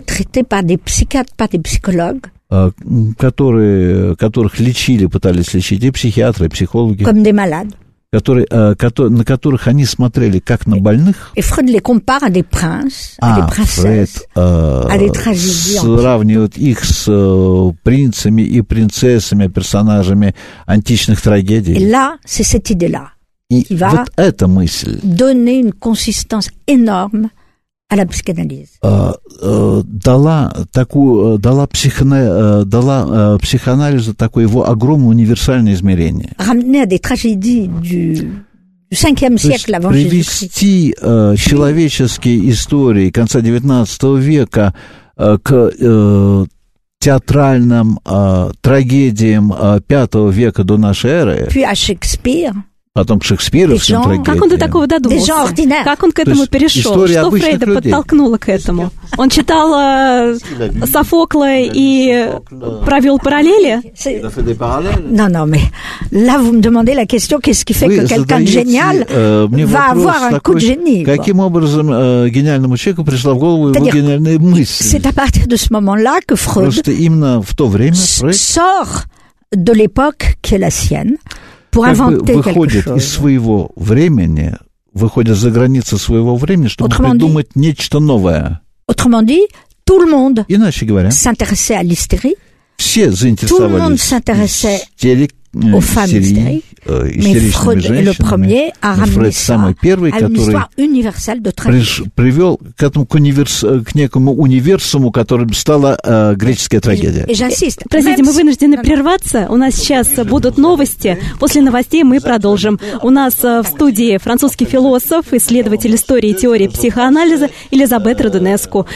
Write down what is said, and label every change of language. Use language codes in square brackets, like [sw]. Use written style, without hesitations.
[fr] traités par des psychiatres, par des psychologues, [ru] которых лечили, пытались лечить и психиатры, и психологи, [fr] comme des malades, [ru] на которых они смотрели как на больных. [fr] Et Freud les compare à des princes, à des princesses, Freud, à des tragédies. [ru] Сравнивает их с принцами и принцессами, персонажами античных трагедий. [fr] Et là, c'est cette idée-là qui va [ru] вот эта мысль [fr] donner une consistance énorme à la psychanalyse. [ru] Дала психоанализу такое его огромное универсальное измерение. [fr] Ramener à des tragédies du 5e siècle avant Jésus-Christ. [ru] Привести человеческие истории конца 19 века к театральным трагедиям 5 века до нашей эры. [fr] Puis à Shakespeare. [ru] Потом к шекспировским трагедиям. Как он до такого додумался? Как он к этому перешел? Что Фрейда подтолкнуло к этому? Он читал Софокла и провел параллели? [fr] Non, non, mais là vous me demandez la question, qu'est-ce qui fait que quelqu'un de génial va avoir un coup de génie? [ru] Каким образом гениальному человеку пришла в голову его гениальная мысль? [fr] C'est à partir de ce moment-là que [ru] Фрейд [fr] sort de l'époque qui est la sienne. Pour inventer [ru] выходит из своего времени, выходит за границы своего времени, чтобы придумать нечто новое. [fr] Autrement dit, Tout le monde [ru] иначе говоря, [fr] s'intéressait à l'hystérie. [ru] Все заинтересовались. [fr] Tout le monde s'intéressait aux femmes hystériques. Mais Freud est le premier à ramener Freud, ça [ru] первый, [fr] à l'histoire universelle de [ru] трагедии. Привел к этому к некому универсуму, которым стала греческая трагедия. [fr] Et j'insiste. [ru] Простите, мы вынуждены прерваться. У нас сейчас будут новости. После новостей мы продолжим. У нас в студии французский философ, исследователь истории и теории психоанализа Элизабет Родонеску.